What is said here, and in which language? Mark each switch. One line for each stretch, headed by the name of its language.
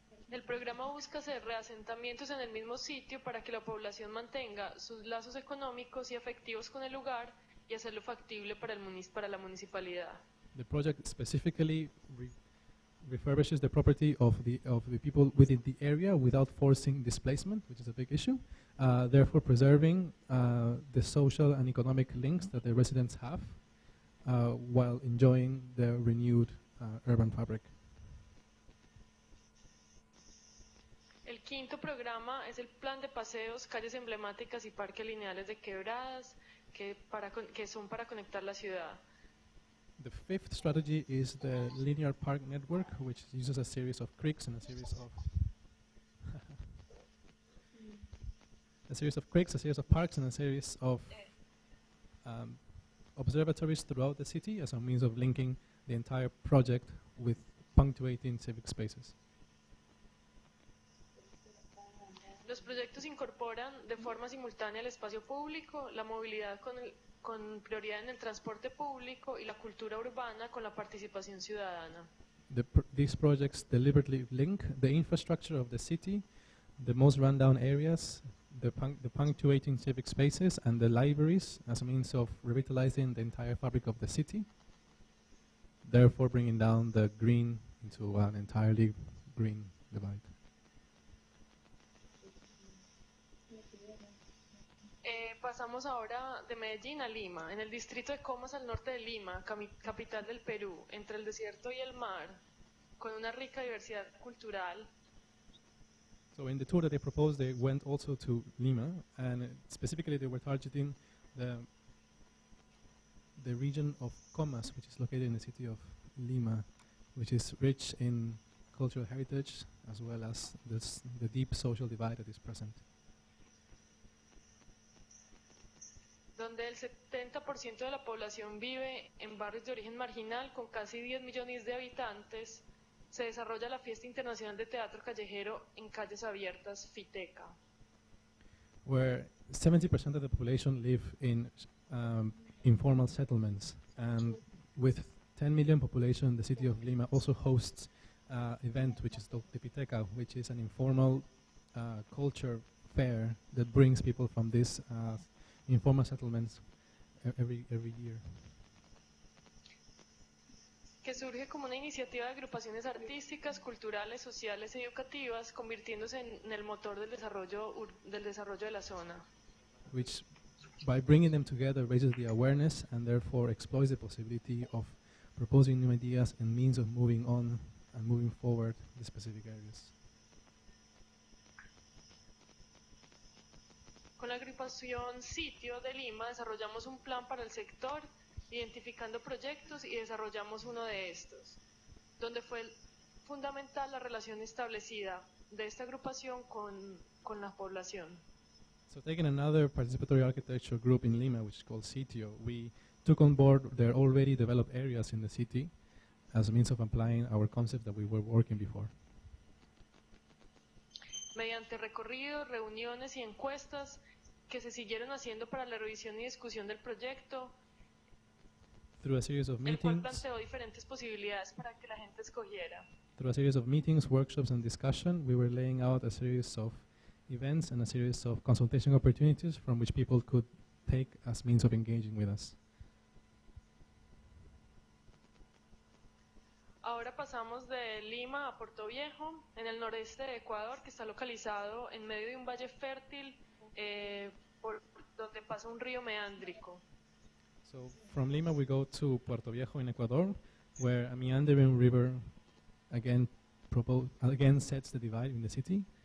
Spanish: El programa busca hacer reasentamientos en el mismo sitio para que la población mantenga sus lazos económicos y afectivos con el lugar y hacerlo factible para el para la municipalidad.
English: The project specifically refurbishes the property of the people within the area without forcing displacement, which is a big issue, therefore preserving the social and economic links that the residents have while enjoying the renewed urban fabric.
Spanish: El quinto programa es el plan de paseos, calles emblemáticas y parques lineales de quebradas que son para conectar la ciudad.
English: The fifth strategy is the linear park network, which uses a series of creeks and a series of observatories throughout the city as a means of linking the entire project with punctuating civic spaces.
Spanish: Los proyectos incorporan de forma simultánea el espacio público, la movilidad con prioridad en el transporte público y la cultura urbana con la participación ciudadana.
English: These projects deliberately link the infrastructure of the city, the most rundown areas, the punctuating civic spaces and the libraries as a means of revitalizing the entire fabric of the city, therefore bringing down the green into an entirely green divide.
Spanish: Pasamos ahora de Medellín a Lima, en el distrito de Comas al norte de Lima, capital del Perú, entre el desierto y el mar, con una rica diversidad cultural.
English: So in the tour that they proposed, they went also to Lima, and specifically they were targeting the region of Comas, which is located in the city of Lima, which is rich in cultural heritage, as well as the deep social divide that is present.
Spanish: Donde el 70% de la población vive en barrios de origen marginal con casi 10 millones de habitantes, se desarrolla la fiesta internacional de teatro callejero en calles abiertas, Fiteca.
English: Where 70% of the population live in informal settlements, and with 10 million population, the city of Lima also hosts event which is called the Piteca, which is an informal culture fair that brings people from this informal settlements every year.
Spanish: Que surge como una iniciativa de agrupaciones artísticas, culturales, sociales, educativas, convirtiéndose en el motor del desarrollo de la zona.
English: Which, by bringing them together, raises the awareness and therefore exploits the possibility of proposing new ideas and means of moving on and moving forward the specific areas.
Spanish: Con la agrupación Sitio de Lima desarrollamos un plan para el sector, identificando proyectos y desarrollamos uno de estos, donde fue fundamental la relación establecida de esta agrupación con la población.
English: So taking another participatory architecture group in Lima, which is called Sitio, we took on board their already developed areas in the city as a means of applying our concept that we were working before.
Spanish: Mediante recorridos, reuniones y encuestas que se siguieron haciendo para la revisión y discusión del proyecto,
English: through a series of meetings,
Spanish: el cual planteó diferentes posibilidades para que la gente escogiera.
English: Through a series of meetings, workshops and discussion, we were laying out a series of events and a series of consultation opportunities from which people could take as means of engaging with us.
Spanish: Ahora pasamos de Lima a Puerto Viejo, en el noreste de Ecuador, que está localizado en medio de un valle fértil por donde pasa un río meándrico.
English: So from Lima we go to Puerto Viejo in Ecuador, where a meandering river again sets the divide in the city.